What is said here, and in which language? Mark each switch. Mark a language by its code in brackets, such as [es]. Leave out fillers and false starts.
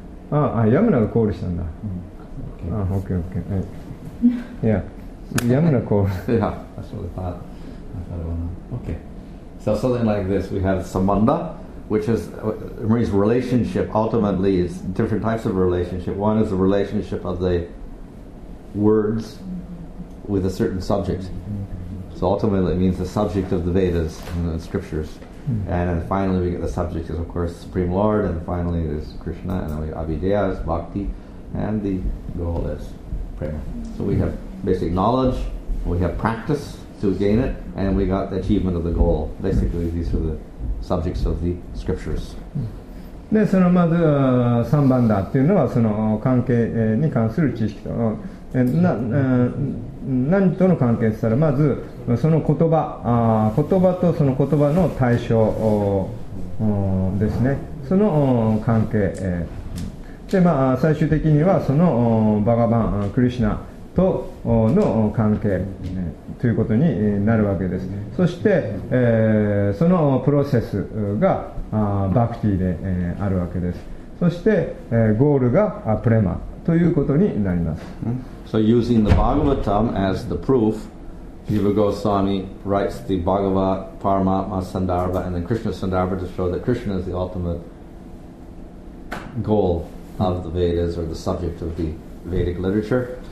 [ja] あ、ヤムナがコールしたんだ。あ、オッケーオッケー。いや、ヤムナコール。いや、あ、そうだ。あ、そうだ。オッケー。 [en] So something like this, we have Sambandha. Which is Marie's relationship ultimately is different types of relationship. One is the relationship of the words with a certain subject. So ultimately, it means the subject of the Vedas and the scriptures. And then finally, we get the subject is, of course, the Supreme Lord, and finally, it is Krishna, and then we have Avideya, is bhakti, and the goal is prema. So we have basic knowledge, we have practice to gain it, and we got the achievement of the goal. Basically, these are the subjects of the scriptures. [ja] で、そのまず3番だっていうのはその関係に関する知識と、何との関係したら、まずその言葉、言葉とその言葉の対象ですね、その関係で、まあ、最終的にはそのバガバン、クリシナとの関係ということになるわけです。そして、そのプロセスがバクティで、あるわけです。そして、ゴールがプレマということになります。 [en] So using the Bhagavatam as the proof, Jiva Goswami writes the Bhagavat, Paramatma Sandarbha, and then Krishna Sandarbha to show that Krishna is the ultimate goal of the Vedas or the subject of the Vedic literature.